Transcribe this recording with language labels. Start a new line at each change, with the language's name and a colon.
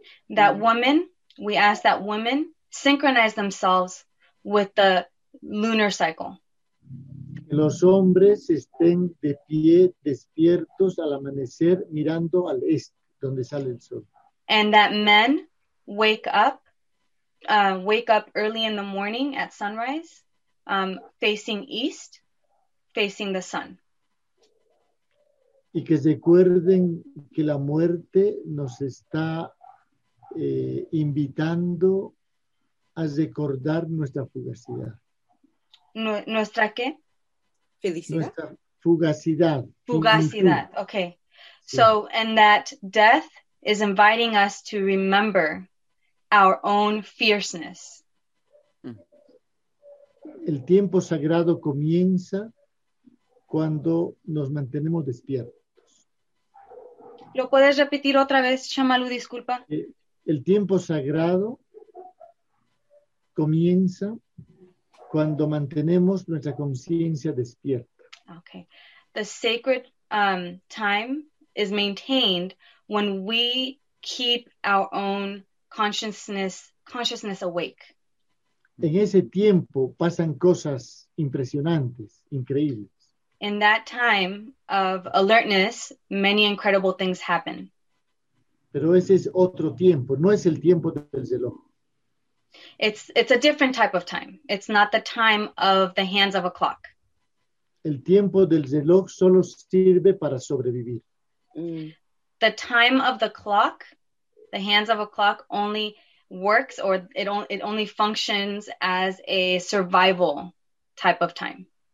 English: That women, we ask that women synchronize themselves with the lunar cycle.
Spanish: Que los hombres estén de pie, despiertos al amanecer, mirando al este, donde sale el sol.
English: And that men wake up early in the morning at sunrise, facing east, facing the sun.
Spanish: Y que recuerden que la muerte nos está invitando a recordar nuestra fugacidad. ¿Nuestra qué? Felicidad. Nuestra fugacidad. Fugacidad, ok.
English: So, and that death is inviting us to remember our own fierceness.
Spanish: El tiempo sagrado comienza cuando nos mantenemos despiertos. ¿Lo puedes repetir otra vez, Shamalu? Disculpa. El tiempo sagrado comienza cuando mantenemos nuestra conciencia despierta.
English: Okay. The sacred time is maintained when we keep our own consciousness awake.
Spanish: En ese tiempo pasan cosas impresionantes, increíbles.
English: In that time of alertness, many incredible things happen.
Spanish: Pero ese es otro tiempo, no es el tiempo del reloj.
English: It's a different type of time. It's not the time of the hands of a clock.
Spanish: El tiempo del reloj solo sirve para sobrevivir.
English: The time of the clock, the hands of a clock only works or it only functions as a survival type of time.